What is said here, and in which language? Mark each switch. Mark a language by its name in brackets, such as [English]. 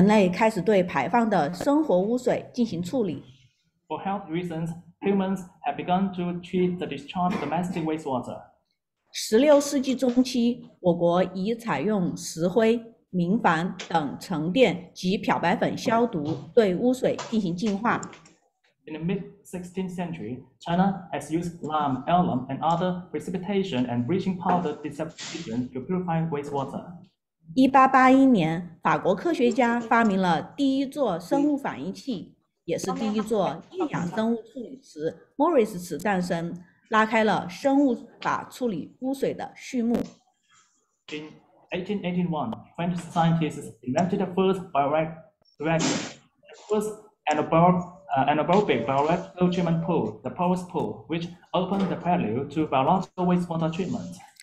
[Chinese] 出于健康的考虑，人类开始对排放的生活污水进行处理。 [English] For health reasons, humans have begun to treat the discharged domestic wastewater. [Chinese] 16世纪中期，我国已采用石灰。明矾等沉淀及漂白粉消毒，对污水进行净化。 [English] In the mid-16th century, China has used lime, alum, and other precipitation and bleaching powder desalination to purify wastewater. [Chinese] 1881年，法国科学家发明了第一座生物反应器，也是第一座厌氧生物处理池，Morris 池诞生，拉开了生物法处理污水的序幕。 [English] 1881, French scientists invented the first anaerobic bioreactor treatment pool, the porous pool, which opened the prelude to biological wastewater treatment.